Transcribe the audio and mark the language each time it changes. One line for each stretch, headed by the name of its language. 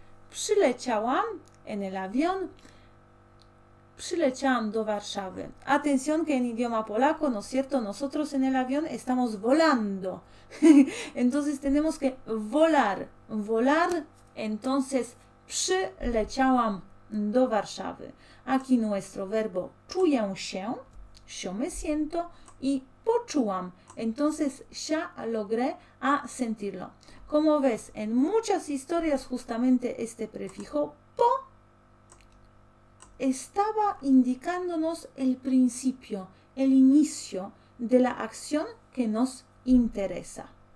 Polish: Przyleciałam
Spanish: en el avión,
Polish: przyleciałam do Warszawy.
Spanish: Atención que en idioma polaco, ¿no es cierto? Nosotros en el avión estamos volando. Entonces tenemos que volar, volar. Entonces,
Polish: przyleciałam do Warszawy.
Spanish: Aquí nuestro verbo
Polish: czuję się,
Spanish: yo me siento y
Polish: poczułam.
Spanish: Entonces, ya logré a sentirlo. Como ves, en muchas historias justamente este prefijo po estaba indicándonos el principio, el inicio de la acción que nos interesa.